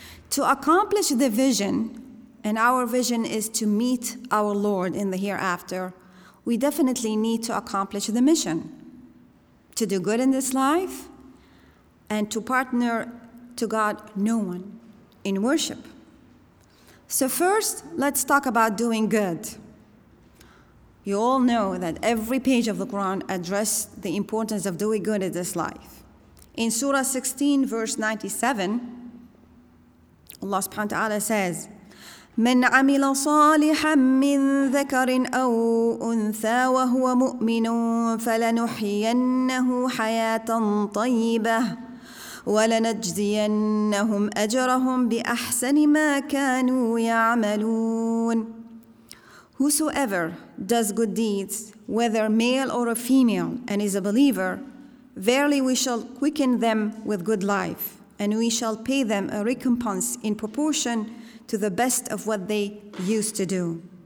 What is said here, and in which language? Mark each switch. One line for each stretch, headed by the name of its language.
English: To accomplish the vision, and our vision is to meet our Lord in the hereafter, we definitely need to accomplish the mission to do good in this life and to partner to God, no one, in worship. So first, let's talk about doing good. You all know that every page of the Quran addresses the importance of doing good in this life. In Surah 16, verse 97, Allah subhanahu wa ta'ala says,
Arabic: من عمل صالحا من ذكر أو أنثى وهو مؤمن فلنحيينه حياة طيبة ولنجزينهم أجرهم بأحسن ما كانوا يعملون.
English: Whosoever does good deeds, whether male or a female, and is a believer, verily we shall quicken them with good life, and we shall pay them a recompense in proportion to the best of what they used to do.